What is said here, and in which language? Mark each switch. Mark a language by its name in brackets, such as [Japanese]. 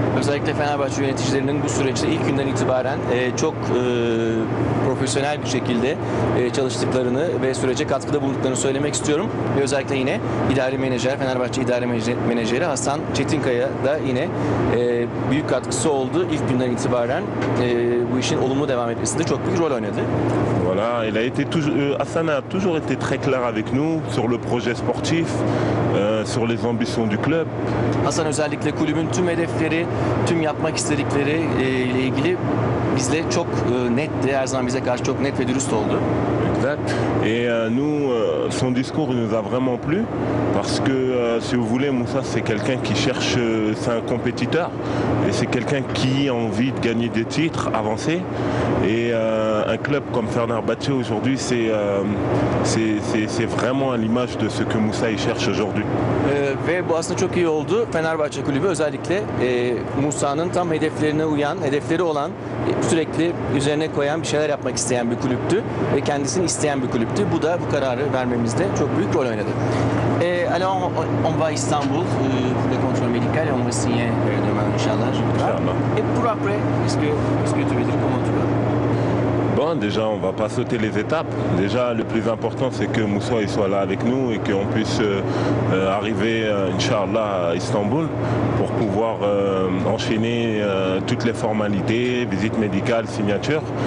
[Turkish] Özellikle Fenerbahçe yöneticilerinin bu süreçte ilk günden itibaren çok profesyonel bir şekilde çalıştıklarını ve sürece katkıda bulunduklarını söylemek istiyorum. Ve özellikle yine idari menajer, Fenerbahçe idari menajeri Hasan Çetinkaya da yine büyük katkısı oldu. İlk günden itibaren bu işin olumlu devam etmesinde çok büyük rol oynadı. [French] Voilà, il a été Hasan a toujours été très clair avec nous sur le projet sportif, sur les ambitions du club. [Turkish] Hasan özellikle kulübün tüm hedefleri, tüm yapmak istedikleri ile ilgili bizle çok netti. Her zaman bize karşı çok net ve dürüst oldu. [French] Exact. Et nous, son discours nous a vraiment plu. Parce que, si vous voulez, Moussa, c'est quelqu'un qui cherche, c'est un compétiteur. Et c'est quelqu'un qui a envie de gagner des titres, avancer. Et un club comme Fenerbahçe aujourd'hui, c'est vraiment à l'image de ce que Moussa y cherche aujourd'hui. [Turkish] Ve bu aslında çok iyi oldu. Fenerbahçe kulübü özellikle Musa'nın tam hedeflerine uyan, hedefleri olan, sürekli üzerine koyan, bir şeyler yapmak isteyen bir kulüptü. Ve kendisini isteyen bir kulüptü. Bu da bu kararı vermemizde çok büyük rol oynadı. [French] Alors, on va à Istanbul pour le contrôle médical et on va signer demain, Inch'Allah. Et pour après, est-ce que tu veux dire comment tu vas? Bon, déjà, on va pas sauter les étapes. Déjà, le plus important, c'est que Moussa il soit là avec nous et qu'on puisse arriver, Inch'Allah, à Istanbul pour pouvoir enchaîner toutes les formalités, visite médicale, signature.